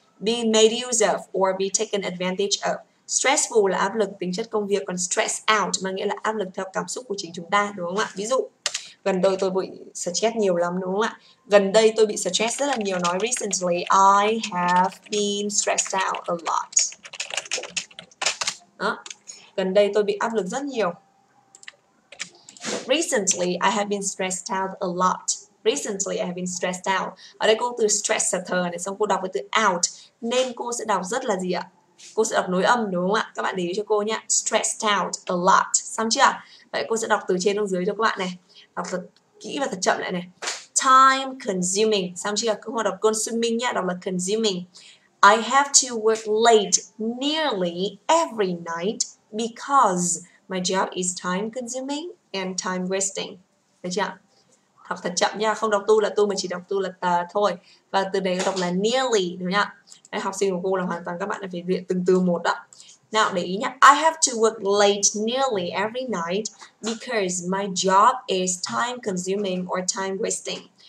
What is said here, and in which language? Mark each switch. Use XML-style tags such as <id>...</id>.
<en>Be made use of or be taken advantage of.</en> <vi>Stressful là áp lực tính chất công việc, còn stress out mà nghĩa là áp lực theo cảm xúc của chính chúng ta, đúng không ạ? Ví dụ gần đây tôi bị stress nhiều lắm, đúng không ạ? Gần đây tôi bị stress rất là nhiều, nói</vi> <en>recently I have been stressed out a lot.</en> <vi>Đó. Gần đây tôi bị áp lực rất nhiều.</vi> <en>Recently I have been stressed out a lot. Recently I have been stressed out.</en> <vi>Ở đây cô từ stress sợ thờ này, xong cô đọc với từ out nên cô sẽ đọc rất là gì ạ? Cô sẽ đọc nối âm, đúng không ạ? Các bạn để ý cho cô nhé.</vi> <en>Stressed out a lot.</en> <vi>Xong chưa? Vậy cô sẽ đọc từ trên xuống dưới cho các bạn này. Đọc thật kỹ và thật chậm lại này. Time consuming. Xong chưa? Cô không đọc consuming nhé. Đọc là consuming.</vi> <en>I have to work late nearly every night because my job is time consuming and time wasting.</en> <vi>Được chưa? Đọc thật chậm nha. Không đọc tu là tu mà chỉ đọc tu là tờ thôi. Và từ đấy đọc là nearly, đúng không ạ? Học sinh của cô là hoàn toàn các bạn phải luyện từng từ một đó. Nào để ý nhá.</vi> <en>I have to work late nearly every night because my job is time consuming or time wasting.</en>